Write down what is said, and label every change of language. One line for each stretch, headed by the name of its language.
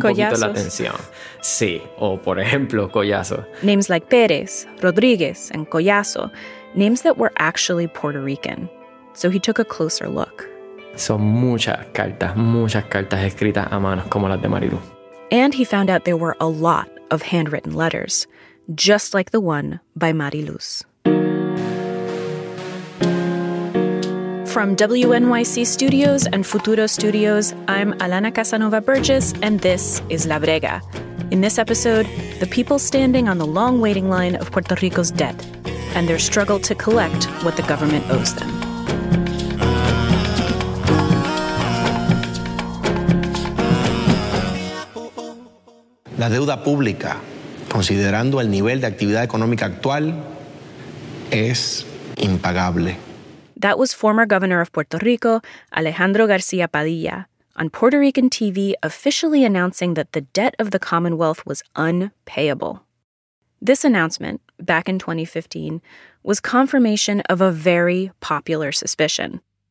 Spanish: Collazos. Poquito la atención. Sí, o por ejemplo, Collazo.
English: Names like Pérez, Rodríguez, and Collazo, names that were actually Puerto Rican. So he took a closer look.
Spanish: Son muchas cartas escritas a mano, como las de Marilu.
English: And he found out there were a lot of handwritten letters, just like the one by Mariluz. From WNYC Studios and Futuro Studios, I'm Alana Casanova Burgess, and this is La Brega. In this episode, the people standing on the long waiting line of Puerto Rico's debt and their struggle to collect what the government owes them.
Spanish: La deuda pública, considerando el nivel de actividad económica actual, es impagable.
English: That was former governor of Puerto Rico, Alejandro García Padilla, on Puerto Rican TV officially announcing that the debt of the Commonwealth was unpayable. This announcement, back in 2015, was confirmation of a very popular suspicion.